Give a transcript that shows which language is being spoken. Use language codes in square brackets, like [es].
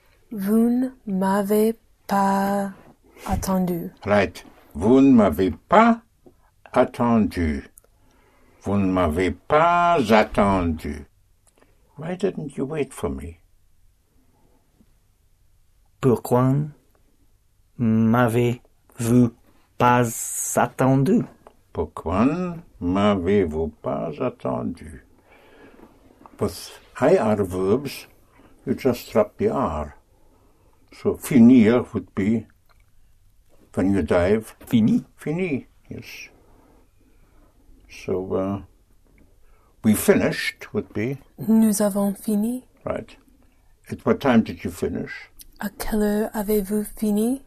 [fr] Vous ne m'avez pas attendu. [en] Right. [fr] Vous ne m'avez pas attendu. Vous ne m'avez pas attendu. [en] Why didn't you wait for me? [fr] Pourquoi m'avez-vous pas attendu? Pourquoi m'avez-vous pas attendu? [en] With IR verbs, you just drop the R. So finir would be, when you dive. [fr] Fini. [en] Fini, yes. So, we finished would be. [fr] Nous avons fini. [en] Right. At what time did you finish? [fr] À quelle heure avez-vous fini?